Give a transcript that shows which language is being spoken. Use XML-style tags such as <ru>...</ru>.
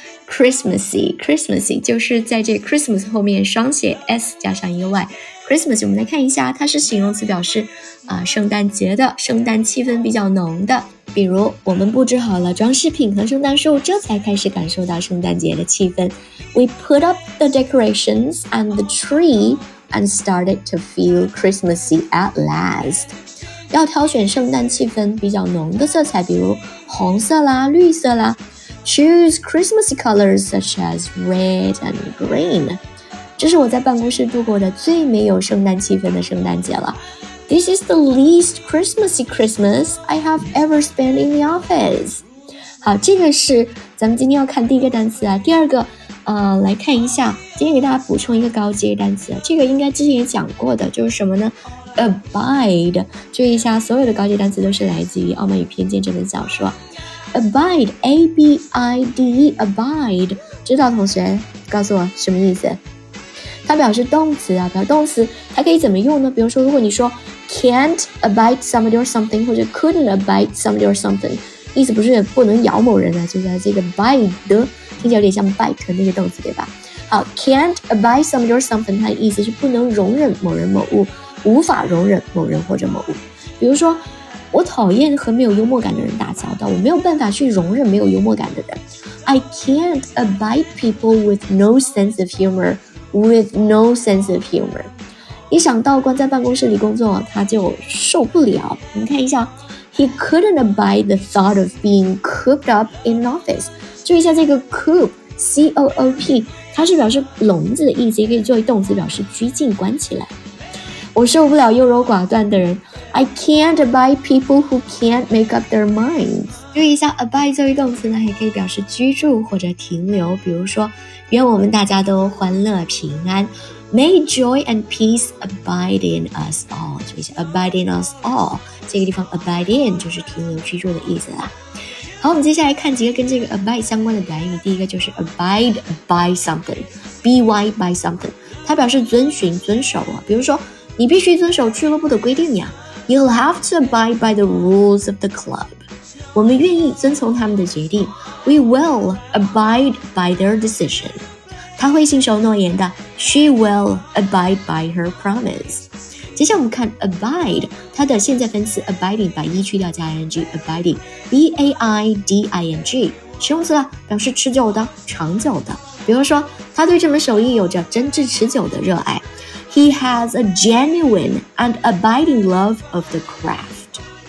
<zh>Christmassy 就是在这 Christmas 后面双写 S 加上一个 Y。 Christmas 我们来看一下，它是形容词，表示圣诞节的，圣诞气氛比较浓的。比如我们布置好了装饰品和圣诞树，这才开始感受到圣诞节的气氛。</zh> <en>We put up the decorations and the tree and started to feel Christmassy at last。</en> <zh>要挑选圣诞气氛比较浓的色彩，比如红色啦、绿色啦。</zh> <en>Choose Christmassy colors such as red and green。</en> <zh>这是我在办公室度过的最没有圣诞气氛的圣诞节了。</zh> <en>This is the least Christmassy Christmas I have ever spent in the office。</en> <zh>好，这个是咱们今天要看第一个单词啊。第二个来看一下，今天给大家补充一个高阶单词，这个应该之前也讲过的，就是什么呢？ Abide， 注意一下，所有的高级单词都是来自于《傲慢与偏见》这本小说。 Abide， 知道同学告诉我什么意思？它表示动词啊，表动词，它可以怎么用呢？比如说，如果你说</zh> <en>can't abide somebody or something，</en> <zh>或者</zh> <en>couldn't abide somebody or something，</en> <zh>意思不是不能咬某人啊，就是这个 bite， 听起来有点像 bite 那个动词，对吧？好 ，</zh> <en>can't abide somebody or something，</en> <zh>它的意思是不能容忍某人某物。无法容忍某人或者某物，比如说我讨厌和没有幽默感的人打交道，我没有办法去容忍没有幽默感的人。</zh> <en>I can't abide people with no sense of humor， with no sense of humor。</en> <zh>一想到关在办公室里工作他就受不了，你看一下，</zh> <en>He couldn't abide the thought of being cooped up in an office。</en> <zh>注意一下这个 coop， C-O-O-P， 它是表示笼子的意思，也可以作为动词表示拘禁关起来。我受不了优柔寡断的人。</zh> <en>I can't abide people who can't make up their minds。</en> <zh>注意一下 abide 作为动词呢，也可以表示居住或者停留，比如说愿我们大家都欢乐平安。</zh> <en>May joy and peace abide in us all。</en> <zh>注意一下</zh> <en>abide in us all，</en> <zh>这个地方 abide in 就是停留居住的意思啦。好，我们接下来看几个跟这个 abide 相关的短语。第一个就是</zh> <en>abide by something， by by something，</en> <zh>它表示遵循遵守啊，比如说你必须遵守俱乐部的规定呀。</zh> <en>You'll have to abide by the rules of the club。</en> <zh>我们愿意遵从他们的决定。</zh> <en>We will abide by their decision。</en> <zh>他会信守诺言的。</zh> <en>She will abide by her promise。</en> <zh>接下来我们看 abide， 它的现在分词 abiding 把 e 去掉加 ing， abiding， b-a-i-d-i-n-g， 形容词了，表示持久的、长久的。比如说他对这门手艺有着真挚持久的热爱。</zh> <en>He has a genuine and abiding love of the craft。</en>